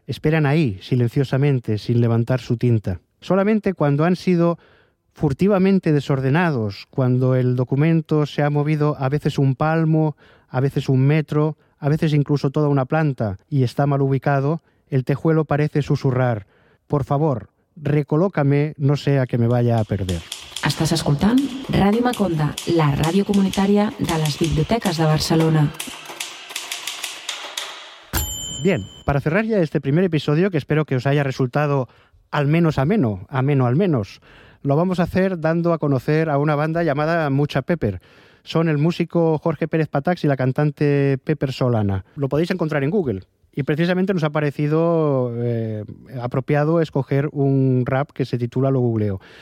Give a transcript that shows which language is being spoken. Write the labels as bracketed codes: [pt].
[es] Esperan ahí, silenciosamente, sin levantar su tinta. Solamente cuando han sido furtivamente desordenados, cuando el documento se ha movido a veces un palmo, a veces un metro, a veces incluso toda una planta, y está mal ubicado, el tejuelo parece susurrar: «Por favor, recolócame, no sea que me vaya a perder». [ca] Estàs escoltant Ràdio Maconda, la ràdio comunitària de les biblioteques de Barcelona. [es] Bien, para cerrar ya este primer episodio, que espero que os haya resultado al menos ameno, ameno al menos, lo vamos a hacer dando a conocer a una banda llamada Mucha Pepper. Son el músico Jorge Pérez Patax y la cantante Pepper Solana. Lo podéis encontrar en Google. Y precisamente nos ha parecido apropiado escoger un rap que se titula Lo Googleo.